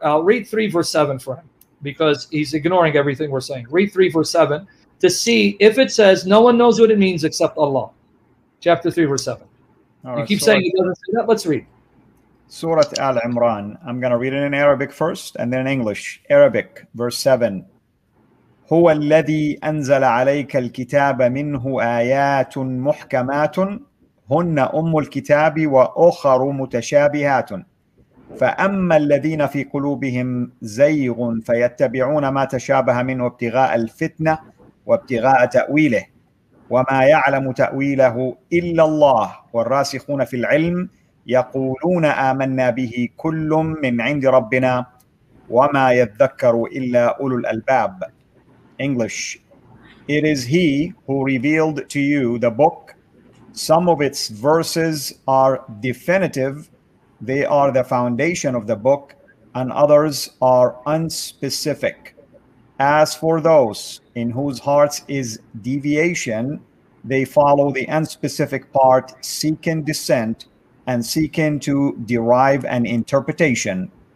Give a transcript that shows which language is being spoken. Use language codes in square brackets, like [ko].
[en] I'll read 3 verse 7 for him because he's ignoring everything we're saying. Read 3 verse 7 to see if it says no one knows what it means except Allah. Chapter 3 verse 7. Right, you keep saying it doesn't say that. Let's read. Surah Al Imran. I'm going to read it in Arabic first and then in English. Arabic, verse 7. [ar] هو الذي أنزل عليك الكتاب منه آيات محكمات هن أم الكتاب وأخر متشابهات فأما الذين في قلوبهم زيغ فيتبعون ما تشابه منه ابتغاء الفتنة وابتغاء تأويله وما يعلم تأويله إلا الله والراسخون في العلم يقولون آمنا به كل من عند ربنا وما يذكر إلا أولو الألباب. [en] English. It is he who revealed to you the book. Some of its verses are definitive. They are the foundation of the book, and others are unspecific. As for those in whose hearts is deviation, they follow the unspecific part, seeking dissent and seeking to derive an interpretation.